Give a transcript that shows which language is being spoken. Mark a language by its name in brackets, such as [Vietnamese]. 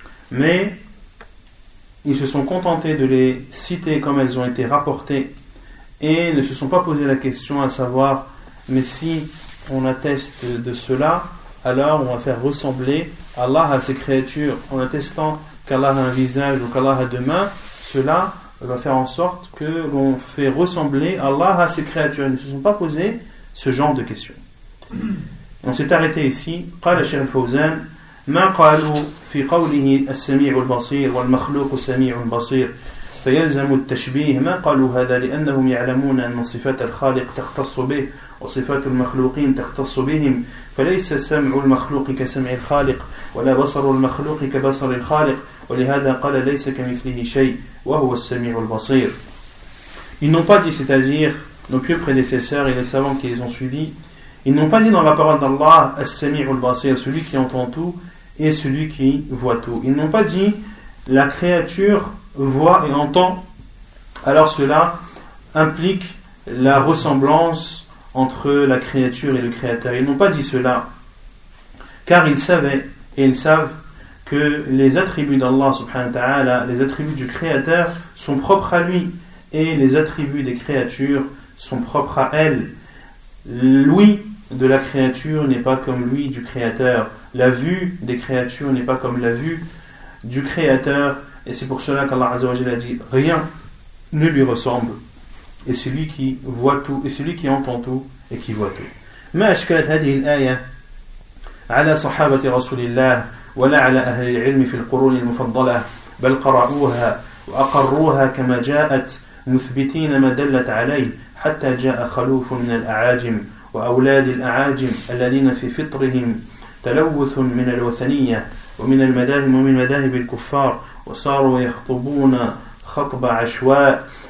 [French] Mais ils se sont contentés de les citer comme elles ont été rapportées et ne se sont pas posé la question à savoir, mais si on atteste de cela, alors on va faire ressembler Allah à ses créatures en attestant qu'Allah a un visage ou qu'Allah a deux mains. Cela va faire en sorte que l'on fait ressembler Allah à ses créatures. Ils ne se sont pas posé ce genre de questions. On s'est arrêté ici. [Arabic] قال الشيخ الفوزان ما قالوا في قوله السميع البصير والمخلوق السميع البصير فيلزم التشبيه ما قالوا هذا لأنهم يعلمون أن صفات الخالق تختص به وصفات المخلوقين تختص بهم فليس سمع المخلوق كسمع الخالق ولا بصر المخلوق كبصر الخالق ولهذا قال ليس كمثله شيء وهو السميع البصير. [French] Ils n'ont pas dit, c'est-à-dire nos pieux prédécesseurs et les savants qui les ont suivis, ils n'ont pas dit dans la parole d'Allah As-Sami' al-Basir, celui qui entend tout et celui qui voit tout. Ils n'ont pas dit la créature voit et entend, alors cela implique la ressemblance entre la créature et le créateur. Ils n'ont pas dit cela, car ils savaient et ils savent que les attributs d'Allah subhanahu wa ta'ala, les attributs du créateur sont propres à lui et les attributs des créatures sont propres à elles. Lui de la créature n'est pas comme lui du créateur. La vue des créatures n'est pas comme la vue du créateur. Et c'est pour cela qu'Allah Azza wa Jalla a dit « Rien ne lui ressemble. » Et c'est lui qui voit tout, et c'est lui qui entend tout, et qui voit tout. [Arabic] « Ma ashkalat hadhihi al-aya ala sahabati rasulillah wa la ala ahli al-ilmi fi al-quruni al-mufaddala bal qara'uha wa aqarruha kama ja'at muthbitina ma dallat alayh حتى جاء خلوف من الأعاجم وأولاد الأعاجم الذين في فطرهم تلوث من الوثنية ومن المذاهب ومن مذاهب الكفار وصاروا يخطبون خطب عشواء